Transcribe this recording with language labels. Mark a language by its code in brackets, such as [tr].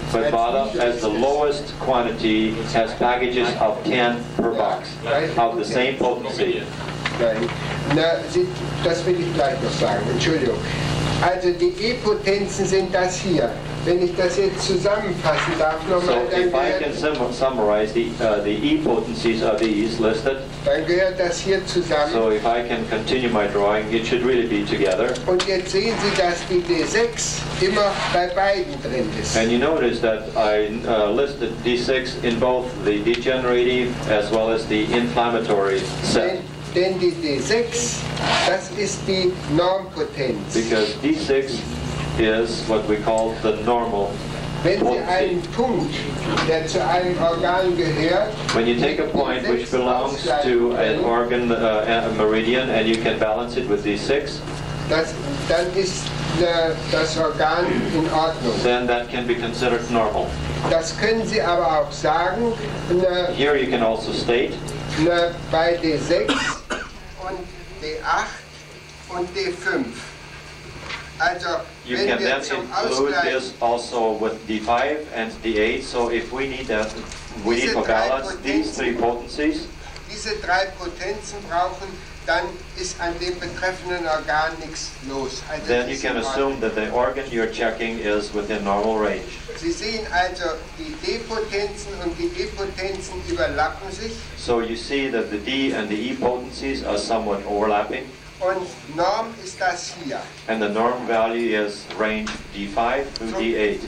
[en] But Wala has the lowest quantity, has packages of 10 per box, of the same potency. [de] Na, das will ich gleich noch sagen, Entschuldigung. Also die E-Potenzen sind das hier. Wenn ich das jetzt zusammenfassen darf, nochmal. [en] So, if I can summarize the E-potencies are these listed. [de] Dann gehört das hier zusammen. [en] So, if I can continue my drawing, it should really be together. [de] Und jetzt sehen Sie, dass die D6 immer bei beiden drin ist. [en] And you notice that I listed D6 in both the degenerative as well as the inflammatory set. [de] Denn die D6, das ist die Normpotenz. [en] Because D6 is what we call the normal. [de] Wenn Sie einen Punkt, der zu einem Organ gehört, [en] when you take a point which belongs to an organ a meridian and you can balance it with D6, [de] dann ist das Organ in Ordnung. [en] Then that can be considered normal. [de] Das können Sie aber auch sagen. [en] Here you can also state. [de] Bei D6 und D8 und D5. Also, [en] you can then include this also with D5 and D8. So if we need that, we need to balance these three potencies. [de] Diese drei Potenzen brauchen, dann ist an dem betreffenden Organ nichts los. [en] Also then you can assume that the organ you're checking is within normal range. [de] Sie sehen also, die D-Potenzen und die E-Potenzen überlappen sich. [en] So you see that the D and the E-potencies are somewhat overlapping. [de] Und Norm ist das hier. [en] And the norm value is range D5 to D8.